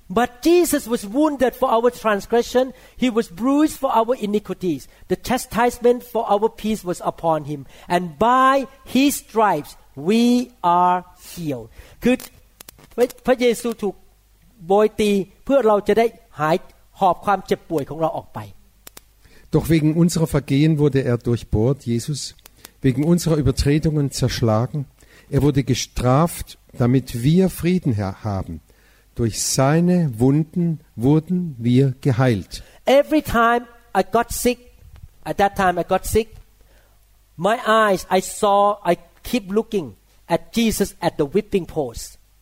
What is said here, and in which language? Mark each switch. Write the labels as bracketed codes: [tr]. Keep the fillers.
[en] But Jesus was wounded for our transgression, he was bruised for our iniquities. The chastisement for our peace was upon him, and by his stripes we are healed. Good. [th] พระเยซูถูกโบยตีเพื่อเราจะได้หายหอบความเจ็บป่วยของเราออกไป [de] Doch wegen unserer Vergehen wurde er durchbohrt, Jesus, wegen unserer Übertretungen zerschlagen. Er wurde gestraft, damit wir Frieden haben. Durch seine Wunden wurden wir geheilt. [en] Every time I got sick, at that time I got sick, my eyes, I saw, I keep looking at Jesus at the whipping post.